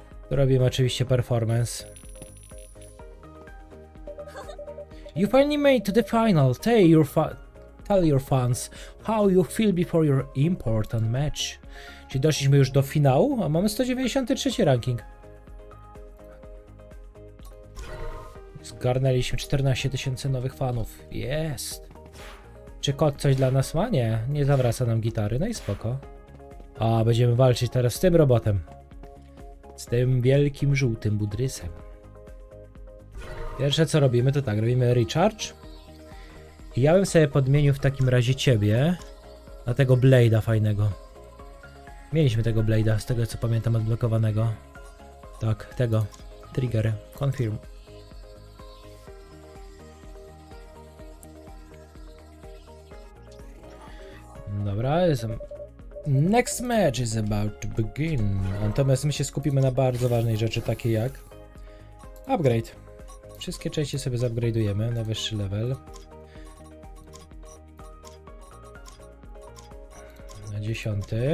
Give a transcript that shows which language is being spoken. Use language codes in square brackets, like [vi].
[pl] Robimy oczywiście performance. [en] You finally made to the final. Tell your fans how you feel before your important match. [pl] Czyli doszliśmy już do finału, a mamy 193 ranking. Zgarnęliśmy 14 tysięcy nowych fanów. Jest. Czy kot coś dla nas ma? Nie. Nie zawraca nam gitary. No i spoko. A będziemy walczyć teraz z tym robotem. Z tym wielkim żółtym budrysem. Pierwsze co robimy, to tak, robimy recharge. I ja bym sobie podmienił w takim razie ciebie na tego Blade'a fajnego. Mieliśmy tego Blade'a, z tego co pamiętam, odblokowanego. Tak, tego. Trigger. Confirm. Dobra, jestem. [en] Next match is about to begin. [pl] Natomiast my się skupimy na bardzo ważnej rzeczy, takiej jak upgrade. Wszystkie części sobie zupgrade'ujemy na wyższy level. Na 10.